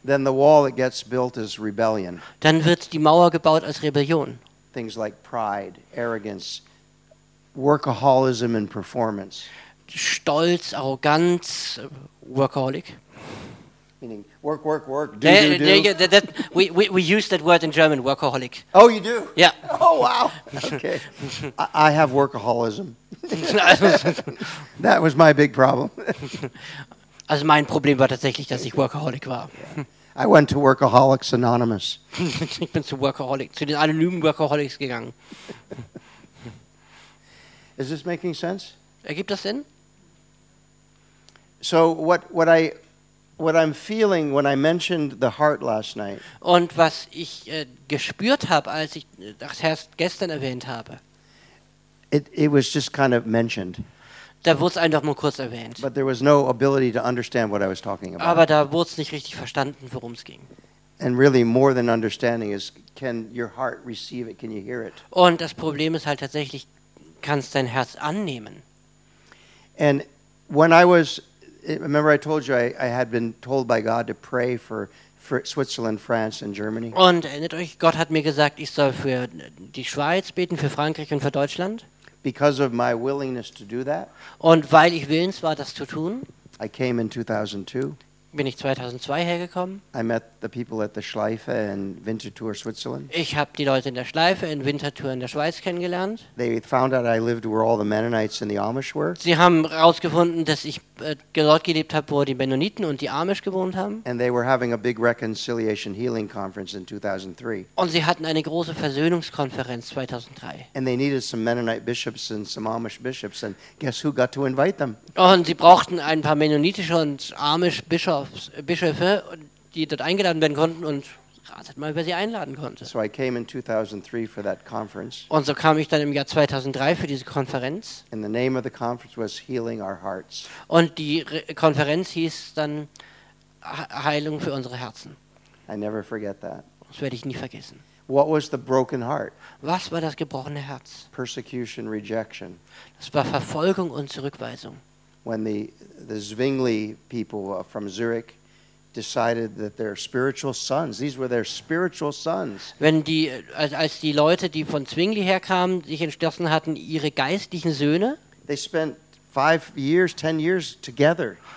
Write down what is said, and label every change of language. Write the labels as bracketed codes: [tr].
[en] then the wall that gets built is rebellion. [de] Dann wird die Mauer gebaut als Rebellion. [en] Things like pride, arrogance, workaholism and performance. [de] Stolz, Arroganz, workaholic. [en] Meaning work, work, work, do, do, do. Yeah, that, we use that word in German, workaholic. Oh, you do? Yeah. Oh, wow. Okay. I have workaholism. That was my big problem. [de] Also mein Problem war tatsächlich, dass ich workaholic war. [en] I went to Workaholics Anonymous. [de] Ich bin zu den anonymen Workaholics gegangen. [en] Is this making sense? [de] Ergibt das Sinn? [en] So what I'm feeling when I mentioned the heart last night. [de] Und was ich gespürt habe, als ich das Herz gestern erwähnt habe. [en] It was just kind of mentioned. [de] Da wurde es einfach mal kurz erwähnt. [en] But there was no ability to understand what I was talking about. [de] Aber da wurde es nicht richtig verstanden, worum es ging. [en] And really more than understanding is, can your heart receive it? Can you hear it? [de] Und das Problem ist halt tatsächlich, kannst du dein Herz annehmen? [en] And when I was, remember I told you I had been told by God to pray for Switzerland, France and Germany. [de] Und erinnert euch, Gott hat mir gesagt, ich soll für die Schweiz beten, für Frankreich und für Deutschland. [en] Because of my willingness to do that. [de] Und weil ich willens war, das zu tun. [en] I came in 2002. [de] Bin ich 2002 hergekommen. [en] I met the people at the Schleife in Winterthur, Switzerland. [de] Ich habe die Leute in der Schleife in Winterthur in der Schweiz kennengelernt. [en] They found out I lived where all the Mennonites and the Amish were. [de] Sie haben herausgefunden, dass ich dort gelebt habe, wo die Mennoniten und die Amish gewohnt haben. [en] And they were having a big reconciliation healing conference in 2003. [de] Und sie hatten eine große Versöhnungskonferenz 2003. [en] And they needed some Mennonite bishops and some Amish bishops, and guess who got to invite them? [de] Und sie brauchten ein paar mennonitische und Amish Bischöfe, die dort eingeladen werden konnten, und ratet mal, wer sie einladen konnte. [en] So I came in 2003 for that conference. [de] Und so kam ich dann im Jahr 2003 für diese Konferenz. [en] And the name of the conference was Healing Our Hearts. [de] Und die Konferenz hieß dann Heilung für unsere Herzen. [en] I never forget that. [de] Das werde ich nie vergessen. [en] What was the broken heart? [de] Was war das gebrochene Herz? [en] Persecution, rejection. [de] Das war Verfolgung und Zurückweisung. [en] When the Zwingli people from Zurich decided that their spiritual sons, these were their spiritual sons. [de] Wenn die, als die Leute, die von Zwingli herkamen, sich entschlossen hatten, ihre geistlichen Söhne, [en] they spent 5 years, 10 years together.